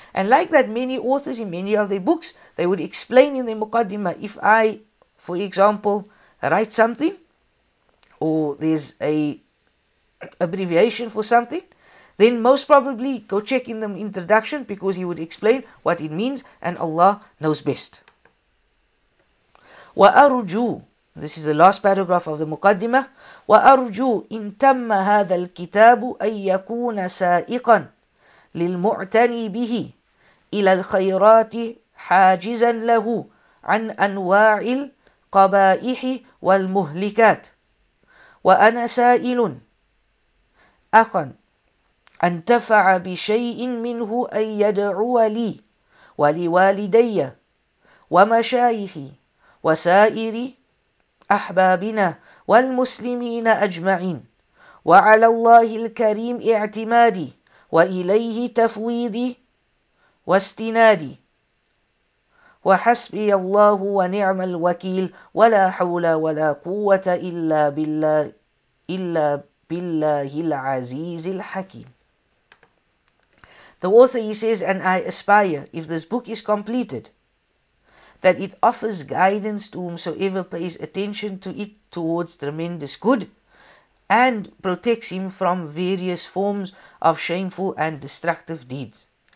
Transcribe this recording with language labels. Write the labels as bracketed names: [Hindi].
[English] And like that, many authors in many of their books, they would explain in the muqaddimah, if I, for example, write something, or there's a abbreviation for something, then most probably go check in the introduction because he would explain what it means and Allah knows best. [Arabic] وَأَرُجُوا [English] This is the last paragraph of the Muqaddimah. [Arabic] وَأَرُجُوا إِن تَمَّ هَذَا الْكِتَابُ أَن يَكُونَ سَائِقًا لِلْمُعْتَنِي بِهِ إِلَى الْخَيْرَاتِ حَاجِزًا لَهُ عَنْ أَنْوَاعِ قبائح والمهلكات وأنا سائل أخا أن تفع بشيء منه أن يدعو لي ولوالدي ومشايخي وسائر أحبابنا والمسلمين أجمعين وعلى الله الكريم اعتمادي وإليه تفويضي واستنادي وحسبي الله ونعم الوكيل ولا حول ولا قوة إلا بالله إلا بالله العزيز الحكيم. [English] The author, he says, and I aspire, if this book is completed, that it offers guidance to whomsoever pays attention to it towards tremendous good, and protects him from various forms of shameful and destructive deeds.